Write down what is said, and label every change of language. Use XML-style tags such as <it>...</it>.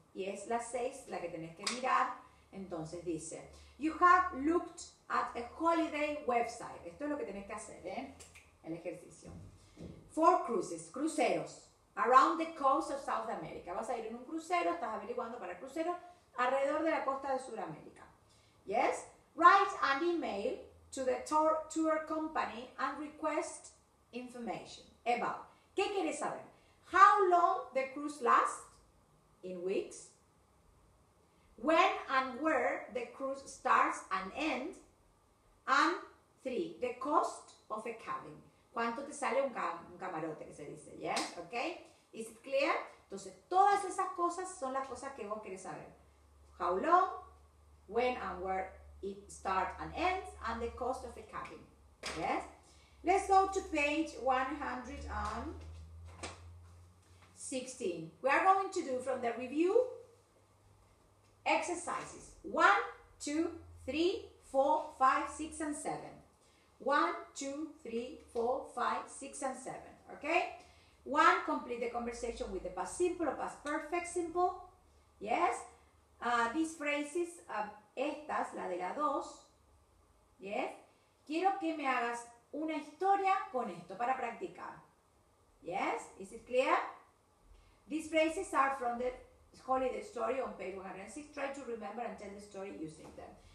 <es>Y es la seis, la que tenés que mirar. Entonces dice,</es> <en>you have looked at a holiday website.</en> <es>Esto es lo que tenés que hacer, ¿eh? El ejercicio.</es> <en>Four cruises, cruceros, around the coast of South America.</en> <es>Vas a ir en un crucero, estás averiguando para cruceros alrededor de la costa de Sudamérica.</es> <en>Yes? Write an email to the tour company and request information about.</en> <es>¿Qué quieres saber?</es> <en>How long the cruise lasts in weeks? When and where the cruise starts and ends. And three, the cost of a cabin.</en> <es>¿Cuánto te sale un camarote, que se dice?</es> <en>Yes, okay? Is it clear?</en> <es>Entonces, todas esas cosas son las cosas que vos querés saber.</es> <en>How long, when and where it starts and ends, and the cost of a cabin. Yes? Let's go to page 116. We are going to do from the review... exercises 1, 2, 3, 4, 5, 6, and 7. 1, 2, 3, 4, 5, 6, and 7. Okay? 1, complete the conversation with the past simple or past perfect simple. Yes? These phrases,</en> <es>estas, la de la 2. Yes? Quiero que me hagas una historia con esto para practicar.</es> <en>Yes? Is it clear? These phrases are from the holiday story on page 106, try to remember and tell the story using them.</en>